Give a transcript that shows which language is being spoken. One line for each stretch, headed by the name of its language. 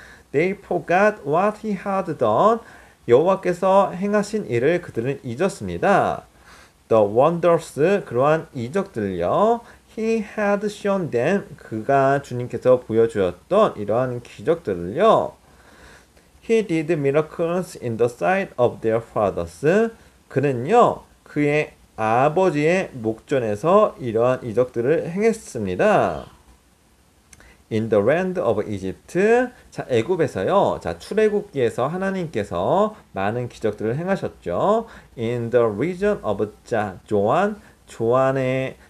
English: They forgot what he had done.
Korean: 여호와께서 행하신 일을 그들은 잊었습니다.
English: The wonders,
Korean: 그러한 이적들요.
English: He had shown them.
Korean: 그가 주님께서 보여주었던 이러한 기적들을요.
English: He did miracles in the sight of their fathers.
Korean: 그는요, 그의 아버지의 목전에서 이러한 이적들을 행했습니다.
English: In the land of Egypt,
Korean: 자, 애굽에서요, 자, 출애굽기에서 하나님께서 많은 기적들을 행하셨죠.
English: In the region of
Korean: 자, 조안의